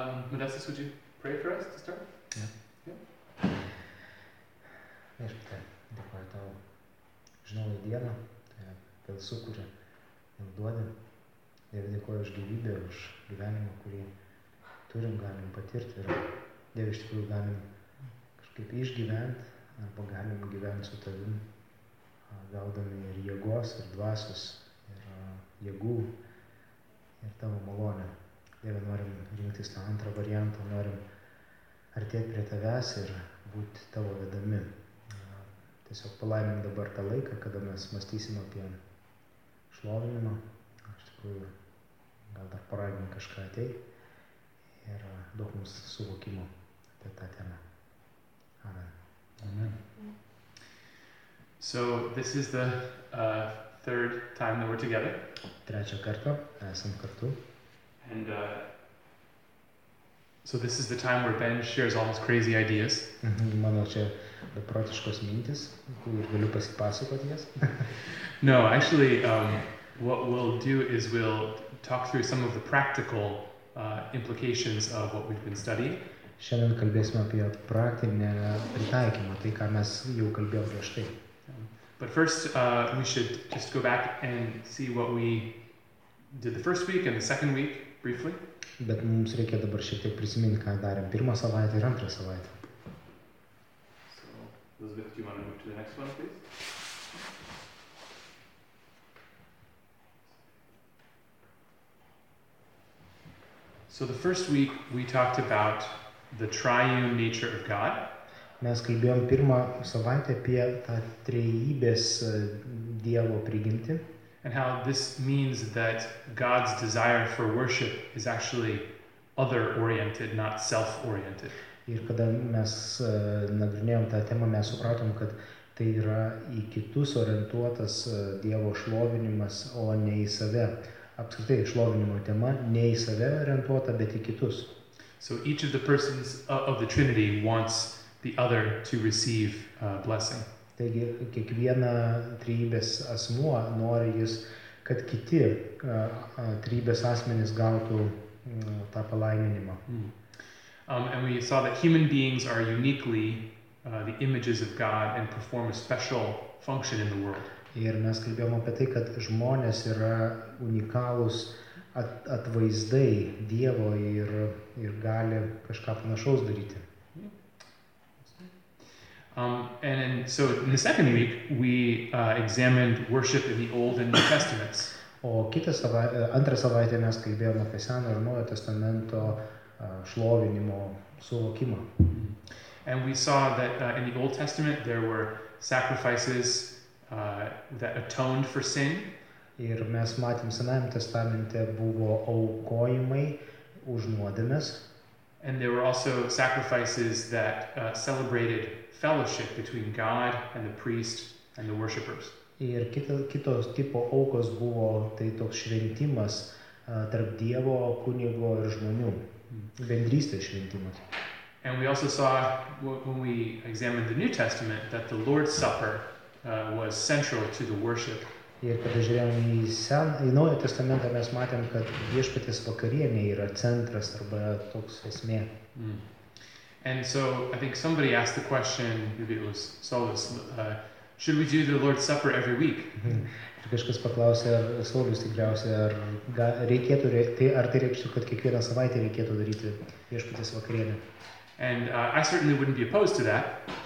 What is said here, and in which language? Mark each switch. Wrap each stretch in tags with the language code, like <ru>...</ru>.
<en>Modestus, would you pray for us to start? Yeah. Yeah.</en> <lt>Viešpatie, dėkoju tau už naują dieną, vėl sukuri, vėl duodi. Dieve, dėkoju už gyvybę, už gyvenimą, kurį turim, galim patirti. Ir Dieve, iš tikrųjų galim kažkaip išgyventi, arba galim gyventi su tavim, gaudami ir jėgos, ir dvasios, ir jėgų, ir tavo malonę. Dieve, norim rinktis tą antrą variantą, norim artėti prie tavęs ir būti tavo vedami. Tiesiog palaimink dabar tą laiką, kada mes mąstysim apie šlovinimą. Iš tikrųjų, gal dar paragink kažką ateit ir daug mums suvokimo apie tą temą. Amen. Amen.</lt> <en>So, this is the third time that we're together.</en> <lt>Trečią kartą esam kartu.</lt> <en>And so this is the time where Ben shares all his crazy ideas.</en> <lt>Mano čia beprotiškos mintis, kur galiu pasipasakoti jas.</lt> <en>No, actually, what we'll do is we'll talk through some of the practical implications of what we've been studying.</en> <lt>Šiandien kalbėsime apie praktinę pritaikymą, tai ką mes jau kalbėjome prieš tai.</lt> <en>But first, we should just go back and see what we did the first week and the second week, briefly.</en> <lt>Bet mums reikia dabar šiek tiek prisiminti, ką darėm pirmą savaitę ir antrą savaitę.</lt> <en>So, Elizabeth, do you want to move to the next one, please? So, the first week, we talked about the triune nature of God.</en> <lt>Mes kalbėjom pirmą savaitę apie tą trejybės Dievo prigimtį.</lt> <en>And how this means that God's desire for worship is actually other-oriented, not self-oriented.</en> <lt>Ir kada mes nagrinėjom tą temą, mes supratom, kad tai yra į kitus orientuotas Dievo šlovinimas, o ne į save. Apskritai, šlovinimo tema ne į save orientuota, bet į kitus.</lt> <en>So each of the persons of the Trinity wants the other to receive blessing.</en> <lt>Taigi, kiekviena trybės asmuo nori jis, kad kiti trybės asmenys gautų tą palaiminimą.</lt> <en>And we saw that human beings are uniquely the images of God and perform a special function in the world.</en> <lt>Ir mes kalbėjom apie tai, kad žmonės yra unikalūs atvaizdai Dievo ir gali kažką panašaus daryti.</lt> <en>And so in the second week we examined worship in the Old and New Testaments.</en> <lt>O kitą savaitę, antrą savaitę mes kalbėjome apie Seno ir Naujo Testamento šlovinimo suvokimą.</lt> <en>And we saw that in the Old Testament there were sacrifices that atoned for sin.</en> <lt>Ir mes matėm Senajame Testamente buvo aukojimai už nuodėmes.</lt> <en>And there were also sacrifices that celebrated fellowship between God and the priest and the worshipers.</en> <lt>Ir kitos tipo aukos buvo tai toks šventimas tarp Dievo kunigo ir žmonių. Bendrystės šventimas.</lt> <en>And we also saw when we examined the New Testament that the Lord's Supper was central to the worship.</en> <lt>Ir kada žiūrėjom į Naują Testamentą, mes matėm, kad Viešpaties vakarienė yra centras arba toks esmė.</lt> <en>And so I think somebody asked the question, maybe it was Saulus, should we do the Lord's Supper every week?</en> <lt>Ir kažkas paklausė, ar Saulus tikriausiai, ar tai reikštų, kad kiekvieną savaitę reikėtų daryti Viešpaties vakarienę.</lt> <en>And I certainly wouldn't be opposed to that.</en>